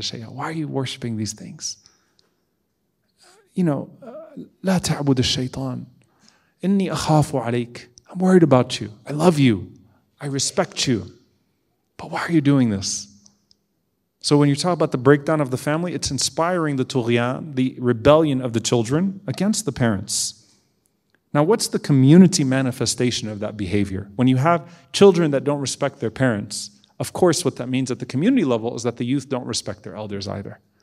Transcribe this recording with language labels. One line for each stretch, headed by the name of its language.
English: Why are you worshiping these things? You know,
Arabic: لا تعبد الشيطان إني أخاف عليك.
English: I'm worried about you. I love you. I respect you. But why are you doing this? So when you talk about the breakdown of the family, it's inspiring the tughyan, the rebellion of the children against the parents. Now, what's the community manifestation of that behavior? When you have children that don't respect their parents, of course, what that means at the community level is that the youth don't respect their elders either.